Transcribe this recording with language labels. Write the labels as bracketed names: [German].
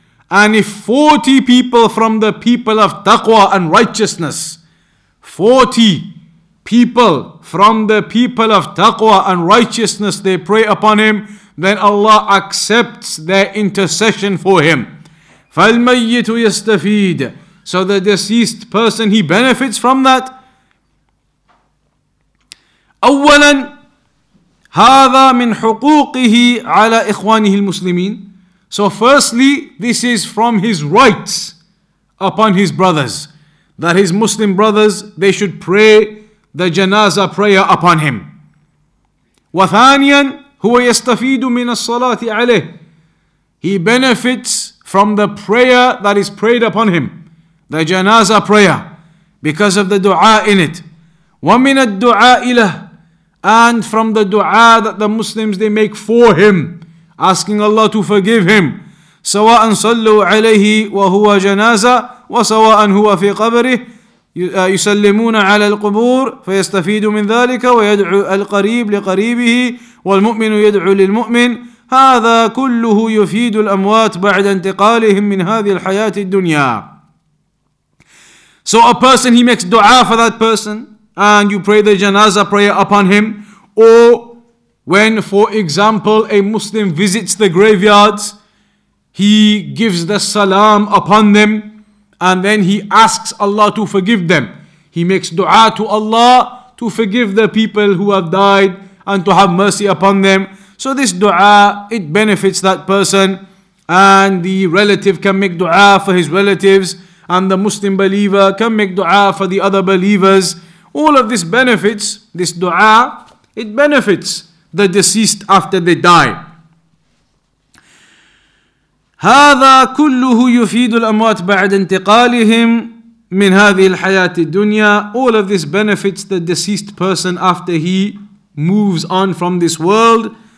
[English] And if 40 people from the people of taqwa and righteousness, 40 people from the people of taqwa and righteousness, they pray upon him, then Allah accepts their intercession for him. [Arabic] فَالْمَيِّتُ يَسْتَفِيدُ. [English] So the deceased person, he benefits from that. [Arabic] أولا هذا من حقوقه على إخوانه المسلمين. [English] So firstly, this is from his rights upon his brothers, that his Muslim brothers, they should pray the janazah prayer upon him. [Arabic] وثانيا هو يستفيد من الصلاة عليه. [English] He benefits from the prayer that is prayed upon him, the janazah prayer, because of the dua in it. [Arabic] ومن الدعاء له. [English] And from the dua that the Muslims they make for him, asking Allah to forgive him. [Arabic] سواء صلوا عليه وهو جنازة وسواء هو في قبره يسلمون على القبور فيستفيد من ذلك ويدعو القريب لقريبه والمؤمن يدعو للمؤمن هذا كله يفيد الأموات بعد انتقالهم من هذه الحياة الدنيا. [English] So a person, he makes dua for that person, and you pray the janazah prayer upon him. Or when, for example, a Muslim visits the graveyards, he gives the salam upon them, and then he asks Allah to forgive them. He makes dua to Allah to forgive the people who have died and to have mercy upon them. So this dua, it benefits that person, and the relative can make dua for his relatives, and the Muslim believer can make dua for the other believers. All of this benefits, this dua, it benefits the deceased after they die. [Arabic] هذا كله يفيد الأموات بعد انتقالهم من هذه الحياة الدنيا. [English] All of this benefits the deceased person after he moves on from this world.